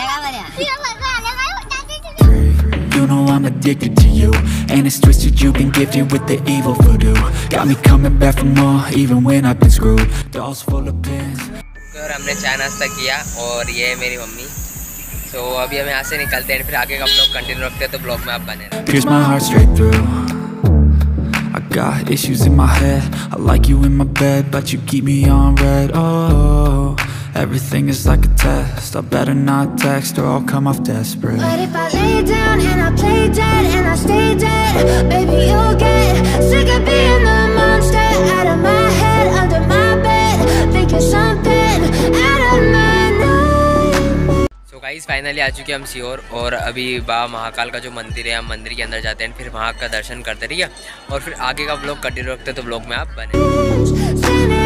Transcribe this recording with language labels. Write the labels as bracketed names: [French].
[English] You know I'm addicted to you, and it's twisted. You've been gifted with the evil voodoo. Got me coming back for more, even when I've been screwed. Dolls full of pins. [Hindi] और हमने चाय नाश्ता किया और ये मेरी mummy. सो अभी हम यहाँ से निकलते हैं, फिर आगे का व्लॉग कंटिन्यू रखते हैं, तो व्लॉग में आप बने रहे। [English] Pierce my heart straight through. Got issues in my head. I like you in my bed, but you keep me on red. Oh, everything is like a test. I better not text or I'll come off desperate. But if I lay down and I play dead and I stay dead, baby, you'll get sick of being the monster out of my head, under my bed, thinking something out of my nightmare. So guys, finally [Hindi] आ चुके हम सीहोर और अभी बाबा महाकाल का जो मंदिर है, हम मंदिर के अंदर जाते हैं, फिर वहाँ का दर्शन करते हैं, ठीक है, और फिर आगे का व्लॉग कंटिन्यू रखते हैं, तो व्लॉग में आप बने।